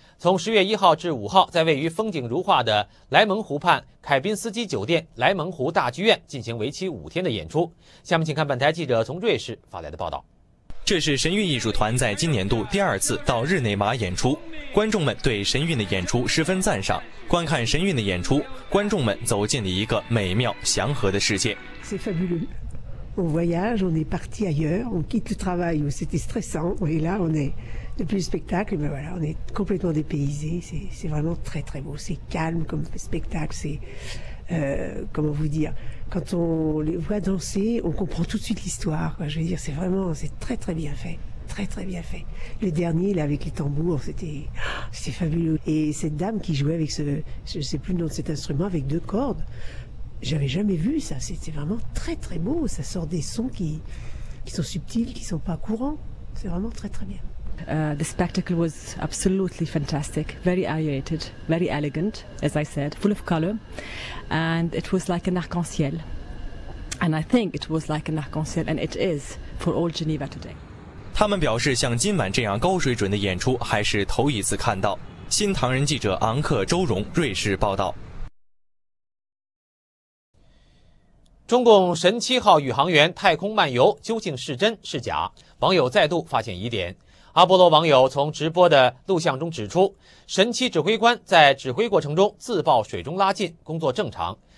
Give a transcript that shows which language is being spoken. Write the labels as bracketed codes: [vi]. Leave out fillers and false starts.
[zh] 从10月1号至5号，在位于风景如画的莱蒙湖畔凯宾斯基酒店莱蒙湖大剧院进行为期5天的演出。下面请看本台记者从瑞士发来的报道。这是神韵艺术团在今年度第二次到日内瓦演出，观众们对神韵的演出十分赞赏。观看神韵的演出，观众们走进了一个美妙祥和的世界。 [fr] C'est fabuleux. On voyage, on est parti ailleurs, on quitte le travail où c'était stressant, et là on est. Depuis le spectacle, ben voilà, on est complètement dépaysé. C'est vraiment très très beau. C'est calme comme spectacle. C'est、comment vous dire? Quand on les voit danser, on comprend tout de suite l'histoire. Quoi. Je veux dire, c'est vraiment, c'est très très bien fait, très très bien fait. Le dernier là avec les tambours, c'était fabuleux. Et cette dame qui jouait avec ce, je sais plus le nom de cet instrument, avec deux cordes, j'avais jamais vu ça. C'est vraiment très très beau. Ça sort des sons qui sont subtils, qui sont pas courants. C'est vraiment très très bien. [en] The spectacle was absolutely fantastic, very aerated, very elegant, as I said, full of color, and it was like an arc-en-ciel. And I think it was like an arc-en-ciel, and it is for all Geneva today. [zh] 他们表示，像今晚这样高水准的演出还是头一次看到。新唐人记者昂克周荣，瑞士报道。中共神七号宇航员太空漫游究竟是真是假？网友再度发现疑点。阿波罗网友从直播的录像中指出，神七指挥官在指挥过程中自曝水中拉近，工作正常。